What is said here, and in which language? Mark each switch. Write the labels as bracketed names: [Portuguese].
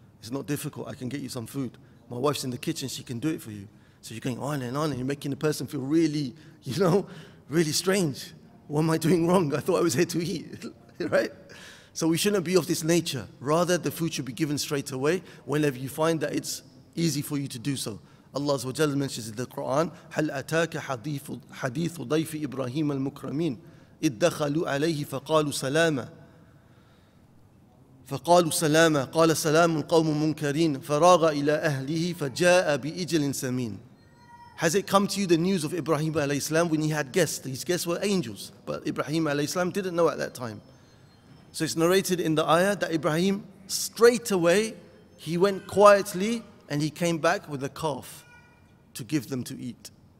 [English] It's not difficult, I can get you some food. My wife's in the kitchen, she can do it for you. So you're going on and on, and you're making the person feel really, you know, really strange. What am I doing wrong? I thought I was here to eat, right? So we shouldn't be of this nature. Rather, the food should be given straight away whenever you find that it's easy for you to do so. Allah Azza wa Jalla mentions in the Quran, [Arabic] هَلْ أَتَاكَ حَدِيثُ ضَيْفِ إِبْرَاهِيمَ الْمُكْرَمِينَ إِذْ دَخَلُوا عَلَيْهِ فَقَالُوا سَلَامًا فقالوا سلاما قال سلام القوم منكرين فراغ إلى أهله فجاء بإجل سمين. [English] Has it come to you the news of Ibrahim alayhi salam when he had guests? These guests were angels, but Ibrahim alayhi salam didn't know at that time. So it's narrated in the ayah that Ibrahim straight away he went quietly and he came back with a calf to give them to eat.